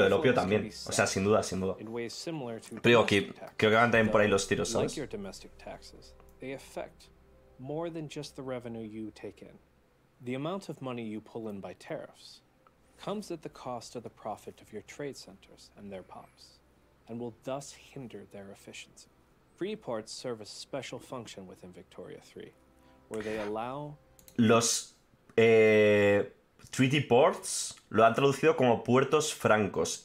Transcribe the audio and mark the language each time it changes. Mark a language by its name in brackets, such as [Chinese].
[Spanish] O sea, sin duda. Pero digo, creo que van también por ahí los tiros, ¿sabes? [English] They affect more than just the revenue you take in. The amount of money you pull in by tariffs comes at the cost of the profit of your trade centers and their POPs, and will thus hinder their efficiency. Free ports serve a special function within Victoria 3, where they allow... [Spanish] Los treaty ports lo han traducido como puertos francos.